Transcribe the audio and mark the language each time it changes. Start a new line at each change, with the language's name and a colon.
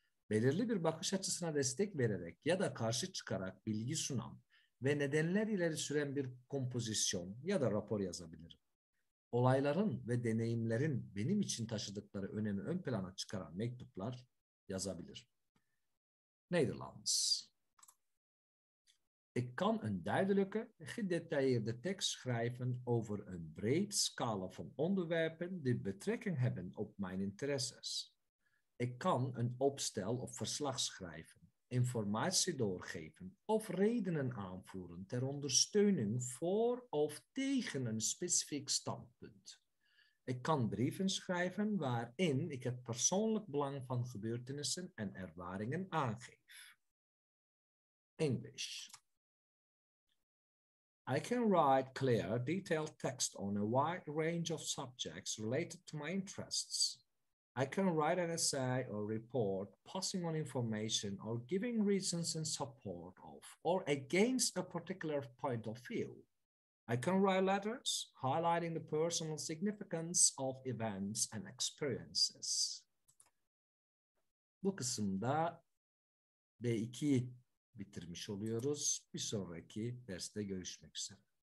Turkish: Belirli bir bakış açısına destek vererek ya da karşı çıkarak bilgi sunan ve nedenler ileri süren bir kompozisyon ya da rapor yazabilirim. Olayların ve deneyimlerin benim için taşıdıkları önemi ön plana çıkaran mektuplar yazabilir. Nederlands.
Dutch: Ik kan een duidelijke, gedetailleerde tekst schrijven over een breed scala van onderwerpen die betrekking hebben op mijn interesses. Ik kan een opstel of verslag schrijven, informatie doorgeven of redenen aanvoeren ter ondersteuning voor of tegen een specifiek standpunt. Ik kan brieven schrijven waarin ik het persoonlijk belang van gebeurtenissen en ervaringen aangeef.
English: English. I can write clear, detailed text on a wide range of subjects related to my interests. I can write an essay or report passing on information or giving reasons in support of or against a particular point of view. I can write letters highlighting the personal significance of events and experiences.
Turkish: Bu kısımda B2'yi bitirmiş oluyoruz. Bir sonraki derste görüşmek üzere.